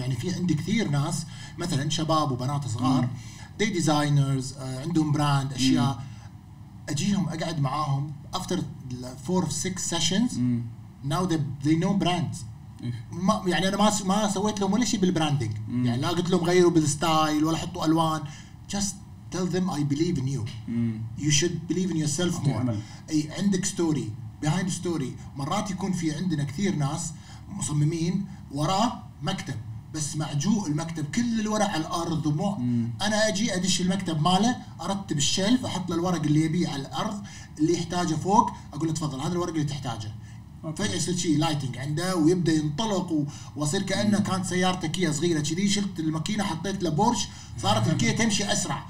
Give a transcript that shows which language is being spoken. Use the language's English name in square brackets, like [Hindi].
[Arabic] يعني في عندي كثير ناس مثلا شباب وبنات صغار [English] they designers [Arabic] عندهم براند اشياء اجيهم اقعد معاهم [English] after 4-6 sessions now they know brands. [Arabic] يعني انا ما سويت لهم ولا شيء بالبراندنج يعني لا قلت لهم غيروا بالستايل ولا حطوا الوان [English] just tell them I believe in you. You should believe in yourself more. [Arabic] اي عندك ستوري [English] behind the story. [Arabic] مرات يكون في عندنا كثير ناس مصممين وراء مكتب بس معجوق المكتب كل الورق على الارض ومو انا اجي ادش المكتب ماله ارتب الشلف احط له الورق اللي يبيه على الارض اللي يحتاجه فوق اقول له تفضل هذا الورق اللي تحتاجه فجأة يصير شيء لايتنج عنده ويبدا ينطلق واصير كانه كانت سيارته كيا صغيره كذي شلت الماكينه حطيت له بورش صارت الكيا تمشي اسرع